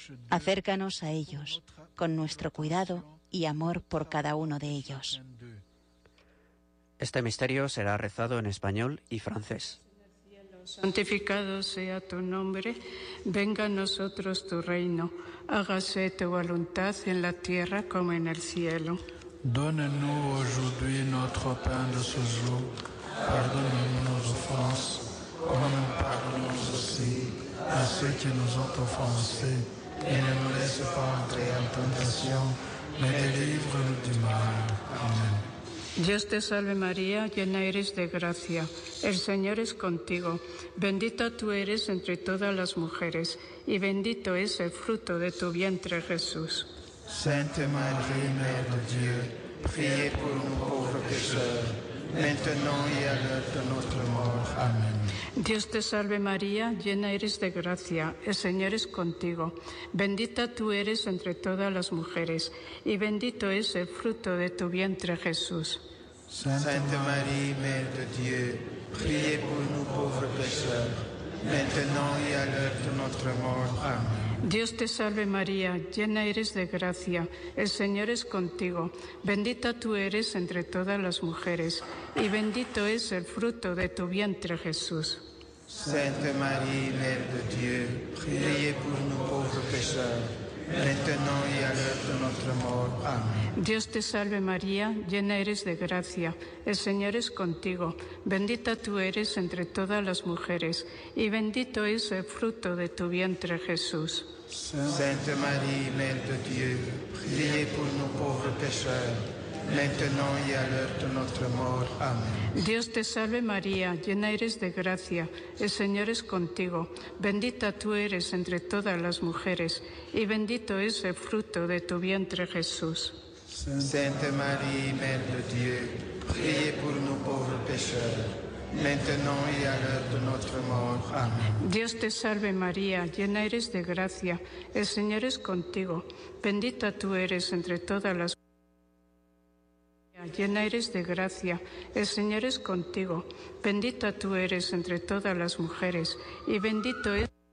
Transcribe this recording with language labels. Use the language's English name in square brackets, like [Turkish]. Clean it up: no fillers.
[Spanish] Acércanos a ellos con nuestro cuidado y amor por cada uno de ellos. Este misterio será rezado en español y francés. Santificado sea tu nombre, venga a nosotros tu reino, hágase tu voluntad en la tierra como en el cielo. [French] Donne-nous aujourd'hui notre pain de ce jour, pardonne-nous nos offenses, comme nous pardonnons aussi à ceux qui nous ont offensés, et ne nous laisse pas entrer en tentation, mais délivre-nous du mal. Amen. [Spanish] Dios te salve María, llena eres de gracia. El Señor es contigo. Bendita tú eres entre todas las mujeres y bendito es el fruto de tu vientre, Jesús. [French] Sainte Marie, Mère de Dieu, priez pour nous pauvres pécheurs, maintenant et à l'heure de notre mort. Amen. [Spanish] Dios te salve María, llena eres de gracia, el Señor es contigo. Bendita tú eres entre todas las mujeres, y bendito es el fruto de tu vientre, Jesús. [French] Sainte Marie, Mère de Dieu, priez pour nous pauvres pécheurs, maintenant et à l'heure de notre mort. Amen. [Spanish] Dios te salve María, llena eres de gracia, el Señor es contigo. Bendita tú eres entre todas las mujeres, y bendito es el fruto de tu vientre, Jesús. [French] Sainte Marie, Mère de Dieu, priez pour nous pauvres pécheurs, maintenant et à l'heure de notre mort. Amen. [Spanish] Dios te salve María, llena eres de gracia, el Señor es contigo. Bendita tú eres entre todas las mujeres, y bendito es el fruto de tu vientre, Jesús. [French] Sainte Marie, Mère de Dieu, priez pour nous pauvres pécheurs, maintenant et à l'heure de notre mort. Amen. [Spanish] Dios te salve María, llena eres de gracia, el Señor es contigo. Bendita tú eres entre todas las mujeres, y bendito es el fruto de tu vientre, Jesús. [French] Sainte Marie, Mère de Dieu, priez pour nous pauvres pécheurs, maintenant et à l'heure de notre mort. Amen. [Spanish] Dios te salve María, llena eres de gracia, el Señor es contigo. Bendita tú eres entre todas las mujeres. Llena eres de gracia, el Señor es contigo. Bendita tú eres entre todas las mujeres, y bendito es.